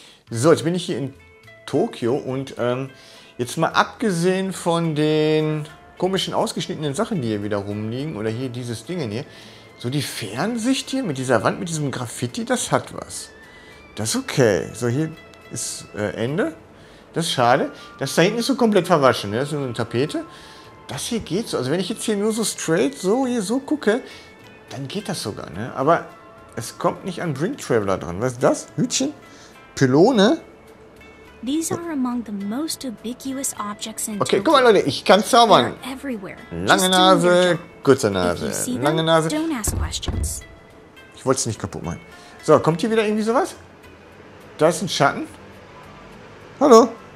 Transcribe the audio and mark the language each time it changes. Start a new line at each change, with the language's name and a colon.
German: So, jetzt bin ich hier in Tokio und jetzt mal abgesehen von den komischen ausgeschnittenen Sachen, die hier wieder rumliegen oder hier dieses Ding hier, so die Fernsicht hier mit dieser Wand, mit diesem Graffiti, das hat was. Das ist okay. So, hier ist Ende. Das ist schade. Das da hinten ist so komplett verwaschen, ne? Das ist so eine Tapete. Das hier geht so. Also wenn ich jetzt hier nur so straight so hier so gucke, dann geht das sogar, ne? Aber es kommt nicht an Brink Traveler dran. Was ist das? Hütchen? Pylone?
English: These are among the most ubiquitous objects in Tokyo.
German: Okay, guck mal, Leute, ich kann zaubern. Lange Nase, kurze Nase, lange Nase.
English: Don't ask questions.
German: Ich wollte es nicht kaputt machen. So, kommt hier wieder irgendwie sowas? Da ist ein Schatten. Hallo?